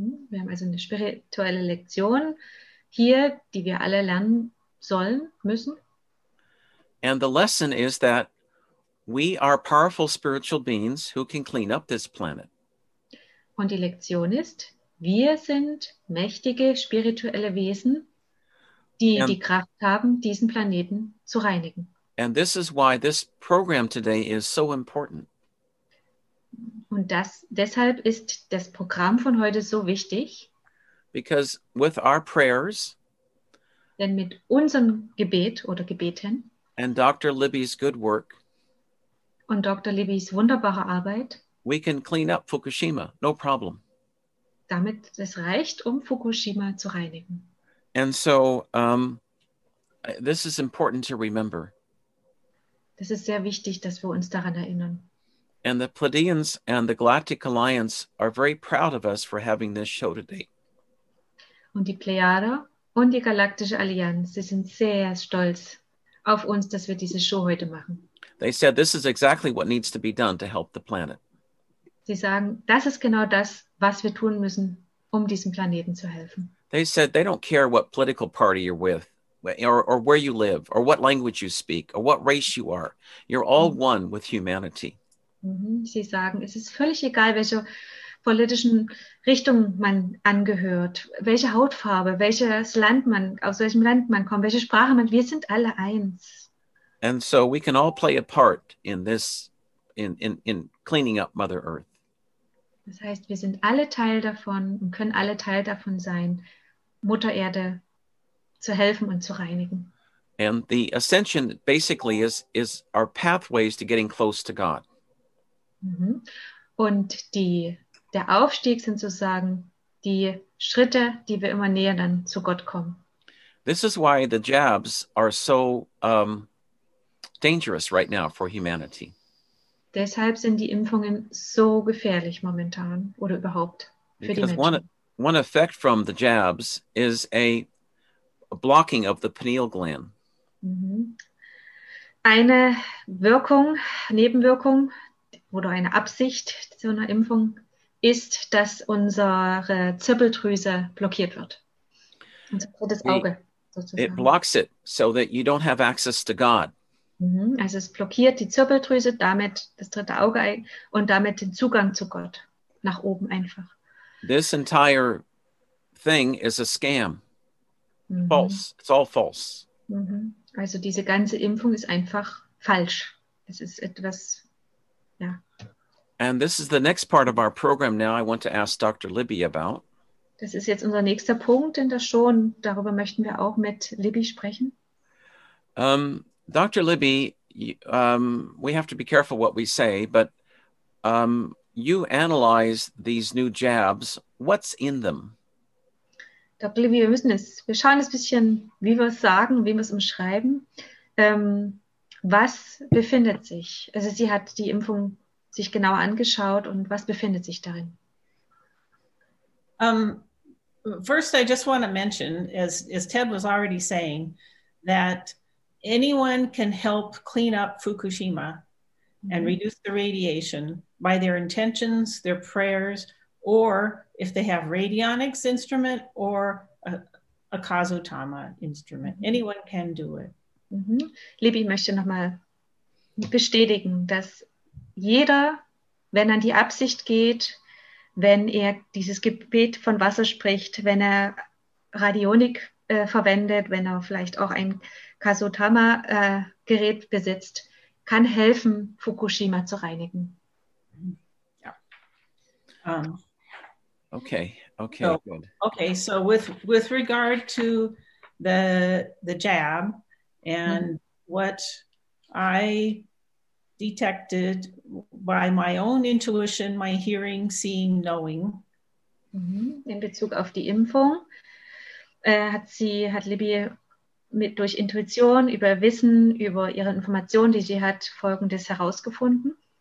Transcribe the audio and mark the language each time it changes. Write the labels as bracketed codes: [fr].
[de] Wir haben also eine spirituelle Lektion hier, die wir alle lernen sollen, müssen. [en] And the lesson is that we are powerful spiritual beings who can clean up this planet. [de] Und die Lektion ist, wir sind mächtige spirituelle Wesen, die die Kraft haben, diesen Planeten zu reinigen. [en] And this is why this program today is so important. [de] Und deshalb ist das Programm von heute so wichtig. [en] Because with our prayers, [de] denn mit unserem Gebet oder Gebeten [en] and Dr. Libby's good work, [de] und Dr. Libby's wunderbare Arbeit, [en] we can clean up Fukushima, no problem. [de] Damit es reicht, um Fukushima zu reinigen. [en] And so this is important to remember. [de] Das ist sehr wichtig, dass wir uns daran erinnern. [en] And the Pleiadians and the Galactic Alliance are very proud of us for having this show today. [de] Und die Plejader und die Galaktische Allianz, sie sind sehr stolz auf uns, dass wir diese Show heute machen. [en] They said this is exactly what needs to be done to help the planet. Sie sagen, das ist genau das, was wir tun müssen, um diesem Planeten zu helfen. They said they don't care what political party you're with, or where you live, or what language you speak, or what race you are. You're all one with humanity. [de] Sie sagen, es ist völlig egal, welcher politischen Richtung man angehört, welche Hautfarbe, welches Land man, aus welchem Land man kommt, welche Sprache man, wir sind alle eins. [en] And so we can all play a part in this, in cleaning up Mother Earth. [de] Das heißt, wir sind alle Teil davon und können alle Teil davon sein, Mutter Erde zu helfen und zu reinigen. [en] And the ascension basically is our pathways to getting close to God. [de] Und der Aufstieg sind sozusagen die Schritte, die wir immer näher dann zu Gott kommen. [en] This is why the jabs are so dangerous right now for humanity. [de] Deshalb sind die Impfungen so gefährlich momentan oder überhaupt für [en] Because [de] die Menschen. [en] One effect from the jabs is a blocking of the pineal gland. [de] Eine Wirkung, Nebenwirkung oder eine Absicht zu einer Impfung ist, dass unsere Zirbeldrüse blockiert wird. Unser drittes Auge. [en] It blocks it so that you don't have access to God. [de] Also es blockiert die Zirbeldrüse, damit das dritte Auge und damit den Zugang zu Gott nach oben einfach. [en] This entire thing is a scam. False. It's all false. [de] Also diese ganze Impfung ist einfach falsch. Es ist etwas, ja. [en] And this is the next part of our program now I want to ask Dr. Libby about. [de] Das ist jetzt unser nächster Punkt in der Show und darüber möchten wir auch mit Libby sprechen. [en] Dr. Libby, we have to be careful what we say, but you analyze these new jabs. What's in them? [de] Dr. Libby, wir schauen ein bisschen, wie wir es sagen, wie wir es umschreiben. Was befindet sich? Also sie hat die Impfung sich genauer angeschaut und was befindet sich darin? [en] First, I just want to mention, as Ted was already saying, that anyone can help clean up Fukushima and reduce the radiation by their intentions, their prayers, or if they have radionics instrument or a Kazutama instrument. Anyone can do it. [de] Libby möchte nochmal bestätigen, dass jeder, wenn er an die Absicht geht, wenn er dieses Gebet von Wasser spricht, wenn er Radionik verwendet, wenn er vielleicht auch ein Kazutama-Gerät besitzt, kann helfen, Fukushima zu reinigen. Ja. [en] Okay, so, good. Okay, so with regard to the jab and what I detected by my own intuition, my hearing, seeing, knowing. [de] In Bezug auf die Impfung hat Libby durch Intuition, über Wissen, über ihre Informationen, die sie hat, Folgendes herausgefunden.